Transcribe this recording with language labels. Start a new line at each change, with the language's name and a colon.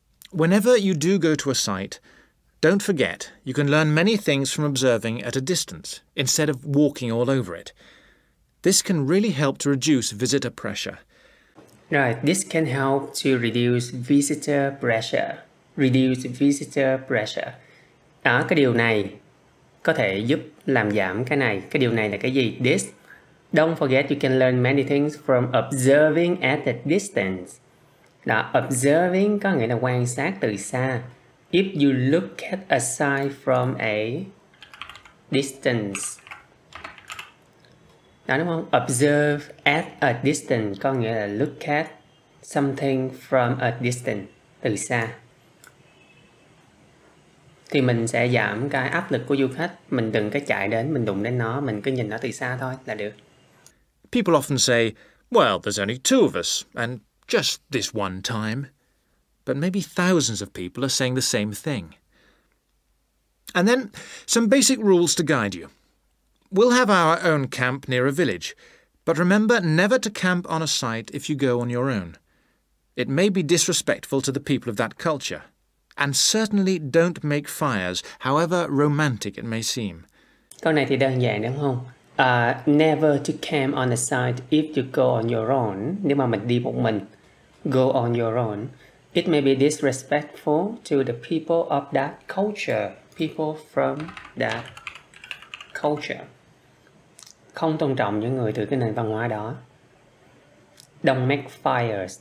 English: Whenever you do go to a site, don't forget, you can learn many things from observing at a distance instead of walking all over it. This can really help to reduce visitor pressure. Right, this can help to reduce visitor pressure. Reduce visitor pressure.
Vietnamese: Đó, cái điều này có thể giúp làm giảm cái này. Cái điều này là cái gì? This.
English: Don't forget, you can learn many things from observing at a distance.
Vietnamese: Đó, observing có nghĩa là quan sát từ xa.
English: If you look at a site from a distance.
Vietnamese: Đó đúng không?
English: Observe at a distance
Vietnamese: có nghĩa là
English: look at something from a distance,
Vietnamese: từ xa. Thì mình sẽ giảm cái áp lực của du khách. Mình đừng có chạy đến, mình đụng đến nó, mình cứ nhìn nó từ xa thôi là được.
English: People often say, well, there's only two of us and just this one time. But maybe thousands of people are saying the same thing. And then some basic rules to guide you. We'll have our own camp near a village, but remember never to camp on a site if you go on your own. It may be disrespectful to the people of that culture. And certainly don't make fires, however romantic it may seem.
Vietnamese: Câu này thì đơn giản đúng không?
English: Never to camp on a site if you go on your own.
Vietnamese: Nếu mà mình đi một mình,
English: go on your own. It may be disrespectful to the people of that culture. People from that culture.
Vietnamese: Không tôn trọng những người từ cái nền văn hóa đó.
English: Don't make fires.